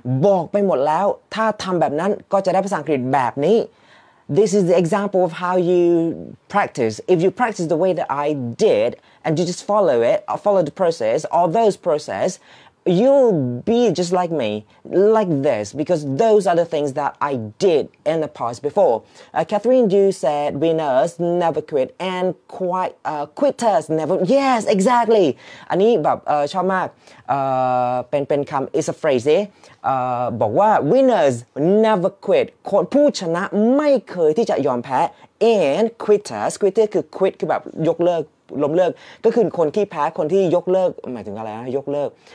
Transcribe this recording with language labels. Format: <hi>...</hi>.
<th>บอกไปหมดแล้วถ้าทำแบบนั้นก็จะได้ภาษาอังกฤษแบบนี้</th> <en>This is the example of how you practice if you practice the way that I did and you just follow it follow the process all those processYou'll be just like me, like this, because those are the things that I did in the past before. Catherine Yu said, winners never quit, and quitters never... Yes, exactly!</en> <th>อันนี้แบบชอบมากเป็นคำ</th> <en>it's a phrase</en> <th>บอกว่า</th> <en>winners never quit,</en> <th>คนผู้ชนะไม่เคยที่จะยอมแพ้</th> <en>and quitters</en> <th>คือ quit คือแบบยกเลิกล้มเลิกก็คือคนที่แพ้คนที่ยกเลิกหมายถึงอะไรนะยกเลิก</th>